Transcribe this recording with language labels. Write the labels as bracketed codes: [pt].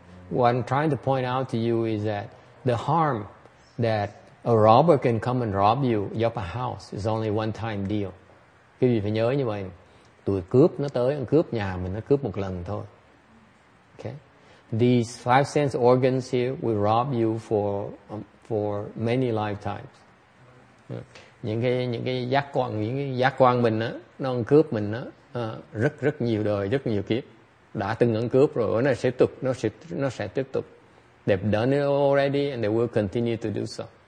[en] What I'm trying to point out to you is that the harm that a robber can come and rob you of a house is only one time deal. [vi] Quý vị phải nhớ như vậy. Tụi cướp nó tới ăn cướp nhà mình, nó cướp một lần thôi. [en] Okay. These five sense organs here will rob you for many lifetimes. [vi] Những cái giác quan mình á, nó ăn cướp mình á rất rất nhiều đời, rất nhiều kiếp. Đã từng ăn cướp rồi, nó sẽ tiếp tục. [en] They've done it already and they will continue to do so.